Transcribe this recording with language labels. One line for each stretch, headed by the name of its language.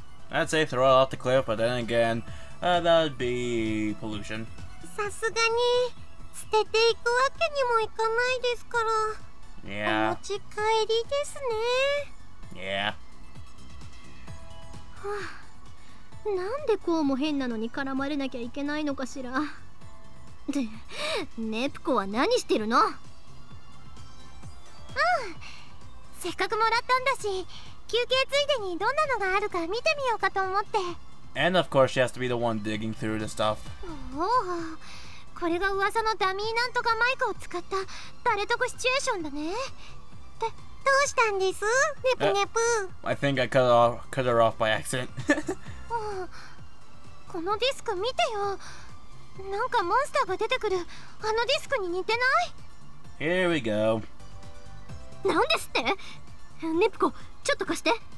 English: I'd say throw it off the cliff, but then again, that'd be pollution.
Japanese: さすがに捨てていくわけにもいかないですから。
English: Yeah.
Japanese: お持ち帰りですね。
English: Yeah. は
Japanese: あ、なんでこうも変なのに絡まれなきゃいけないのかしら。で、ネプコは何してるの？うん。せっかくもらったんだし、休憩ついでにどんなのがあるか見てみようかと思って。
English: And of course she has to be the one digging through the stuff.
Japanese: おお、これが噂のダミーなんとかマイクを使った誰得シチュエーションだね。どうしたんです？ネプネプ。
English: I think I cut her off by accident.
Japanese: このディスク見てよ。なんかモンスターが出てくるあのディスクに似てない？
English: Here we go.
Japanese: なんですって？ネプコ、ちょっと貸して。